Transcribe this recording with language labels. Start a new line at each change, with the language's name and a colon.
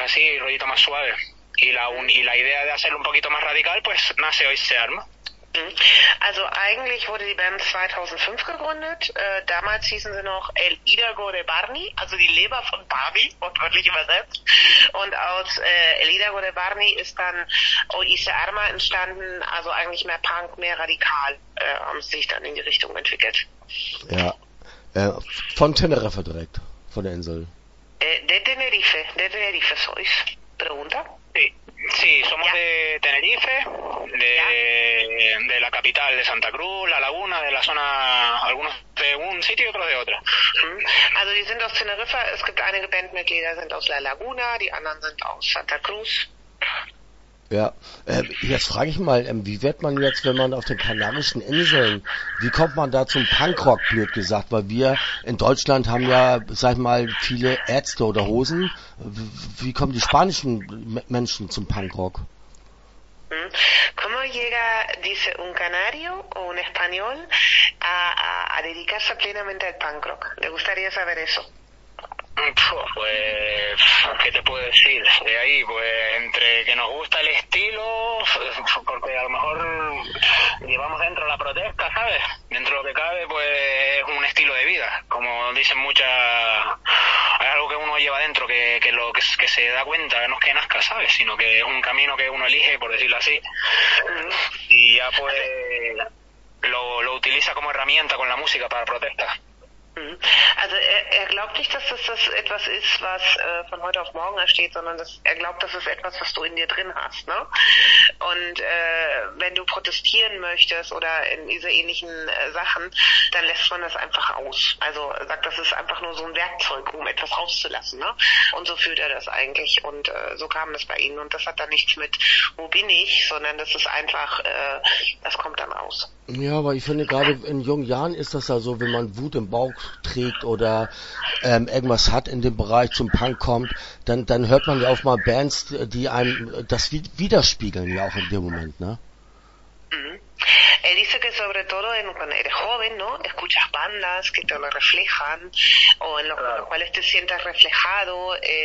Spanish: Así, rollito más suave. Y la idea de hacerlo un poquito más radical, pues nace hoy se arma.
German: Also eigentlich wurde die Band 2005 gegründet. Damals hießen sie noch El Hidalgo de Barney, also die Leber von Barney, wortwörtlich übersetzt. Und aus El Hidalgo de Barney ist dann Euse Ama entstanden, also eigentlich mehr Punk, mehr radikal, haben sich dann in die Richtung entwickelt. Ja, von Teneriffa direkt, von der Insel.
Spanish: De Tenerife sois, pregunta. Sí, somos de Tenerife, de la capital de Santa Cruz, La Laguna, de la zona, algunos de un sitio y otros de otro.
German: Also, die sind aus Teneriffa, es gibt einige Bandmitglieder, sind aus La Laguna, die anderen sind aus Santa Cruz. Ja, jetzt frage ich mal, wie wird man jetzt, wenn man auf den Kanarischen Inseln, wie kommt man da zum Punkrock, blöd gesagt? Weil wir in Deutschland haben ja, sag ich mal, viele Ärzte oder Hosen. Wie kommen die spanischen Menschen zum Punkrock?
Spanish: ¿Cómo llega, dice un canario o un español, a dedicarse plenamente al Punkrock? ¿Le gustaría saber eso? Pues, ¿qué te puedo decir? De ahí, pues, entre que nos gusta el estilo, porque a lo mejor llevamos dentro la protesta, ¿sabes? Dentro de lo que cabe, pues, es un estilo de vida. Como dicen muchas, es algo que uno lleva dentro, que se da cuenta, no es que nazca, ¿sabes? Sino que es un camino que uno elige, por decirlo así. Y ya, pues, lo utiliza como herramienta con la música para protesta.
German: Also er glaubt nicht, dass das etwas ist, was von heute auf morgen entsteht, sondern er glaubt, dass es etwas, was du in dir drin hast, ne? Und wenn du protestieren möchtest oder in diese ähnlichen Sachen, dann lässt man das einfach aus. Also sagt, das ist einfach nur so ein Werkzeug, um etwas rauszulassen, ne? Und so fühlt er das eigentlich und so kam das bei ihm. Und das hat dann nichts mit, wo bin ich, sondern das ist einfach, das kommt dann aus. Ja, aber ich finde, gerade in jungen Jahren ist das ja so, wenn man Wut im Bauch trägt oder irgendwas hat in dem Bereich, zum Punk kommt, dann hört man ja auch mal Bands, die einem das widerspiegeln, ja auch in dem Moment, ne?
Spanish: Él dice que sobre todo cuando eres joven, ¿no? Escuchas bandas que te lo reflejan o en los cuales te sientes reflejado.